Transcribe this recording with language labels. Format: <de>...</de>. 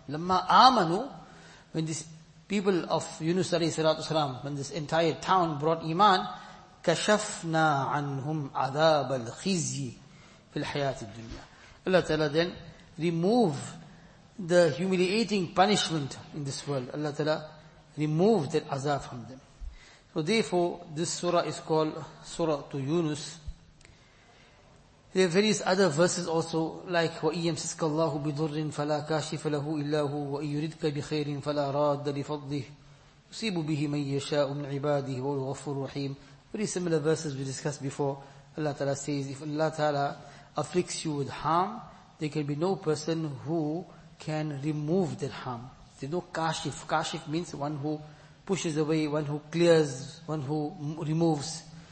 <en>Lamma amanu, when these people of Yunus alayhi salatu salam, when this entire town brought iman,</en> <ar>kashafna anhum azab al khizyi fil hayati dunya.</ar> <en>Allah Ta'ala then remove the humiliating punishment in this world. Allah Ta'ala removed that azab from them. So therefore, this surah is called Surah to Yunus. There are various other verses also, like</en> <ar>وَإِنْ يَمْسِسْكَ اللَّهُ بِضُرٍّ فَلَا كَاشِفَ لَهُ إِلَّهُ وَإِنْ يُرِدْكَ بِخَيْرٍ فَلَا رَادَّ لِفَضْلِهِ يُصِيبُ بِهِ مَنْ يَشَاءُ مِنْ عِبَادِهِ وَهُوَ الْغَفُورُ الرَّحِيمُ.</ar> <en>Very similar verses we discussed before. Allah Ta'ala says, if Allah Ta'ala afflicts you with harm, there can be no person who can remove that harm. There's no kashif. Kashif means one who pushes away, one who clears, one who removes.</en>